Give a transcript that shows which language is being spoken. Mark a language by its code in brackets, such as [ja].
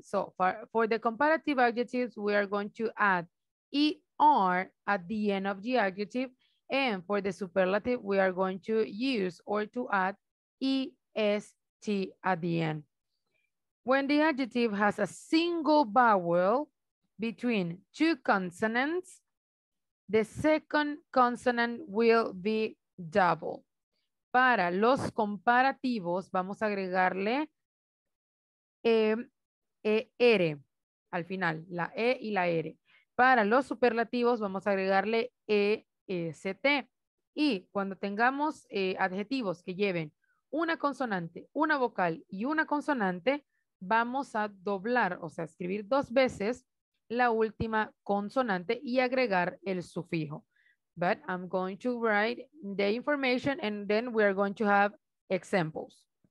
[en] So for the comparative adjectives, we are going to add er at the end of the adjective, and for the superlative, we are going to use or to add est at the end. When the adjective has a single vowel between two consonants, the second consonant will be double. [es] Para los comparativos, vamos a agregarle ER al final, la E y la R. Para los superlativos, vamos a agregarle EST. Y cuando tengamos adjetivos que lleven una consonante, una vocal y una consonante, vamos a doblar, o sea, escribir dos veces la última consonante y agregar el sufijo. [en] But I'm going to write the information and then we are going to have examples.